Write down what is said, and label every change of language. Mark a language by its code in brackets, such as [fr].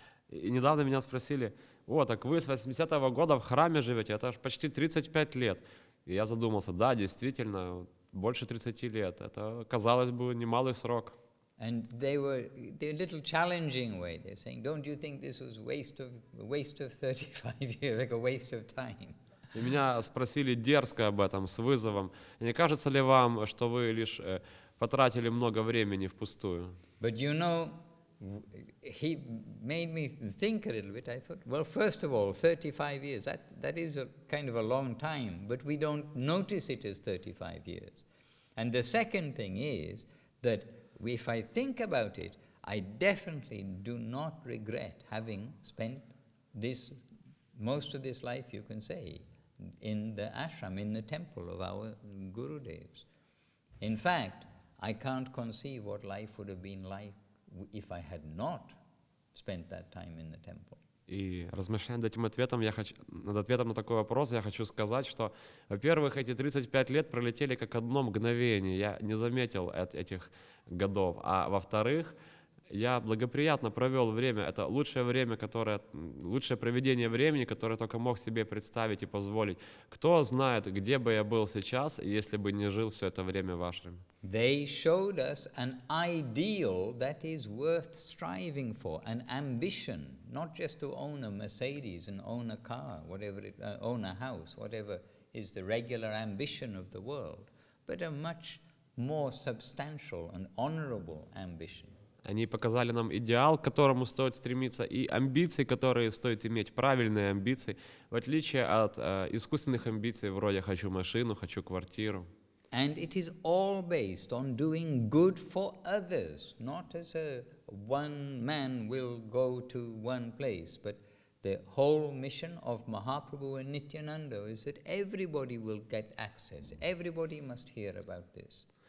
[ru] И недавно меня спросили, о, так вы с 80-го года в храме живете, это почти 35 лет. И я задумался, да, действительно, больше 30 лет. Это, казалось бы, немалый срок. [en] And they were in a little challenging way. They're saying, don't you think this was waste of 35 years, like a waste of time? [ru] И меня спросили дерзко об этом, с вызовом. Не кажется ли вам, что вы лишь потратили много времени впустую? [en] But you know, he made me think a little bit. I thought, well, first of all, 35 years, that is a kind of a long time, but we don't notice it as 35 years. And the second thing is that if I think about it, I definitely do not regret having spent this, most of this life, you can say, in the ashram, in the temple of our Gurudevs. In fact, I can't conceive what life would have been like if I had not spent that time in the temple. [ru] И размышляя над этим ответом, я хочу, над ответом на такой вопрос, я хочу сказать, что, во-первых, эти 35 лет пролетели как одно мгновение, я не заметил этих годов, а во-вторых, я благоприятно провел время, это лучшее время, которое, лучшее проведение времени, которое только мог себе представить и позволить. Кто знает, где бы я был сейчас, если бы не жил все это время в ашраме? [en] They showed us an ideal that is worth striving for, an ambition, not just to own a Mercedes and own a car, whatever it, own a house, whatever is the regular ambition of the world, but a much more substantial and honorable ambition. [ru] Они показали нам идеал, к которому стоит стремиться, и амбиции, которые стоит иметь, правильные амбиции, в отличие от искусственных амбиций, вроде «хочу машину», «хочу квартиру». [en] And it is all based on doing good for others, not as a one man will go to one place, but the whole mission of Mahaprabhu and Nityananda is that everybody will get access, everybody must hear about this.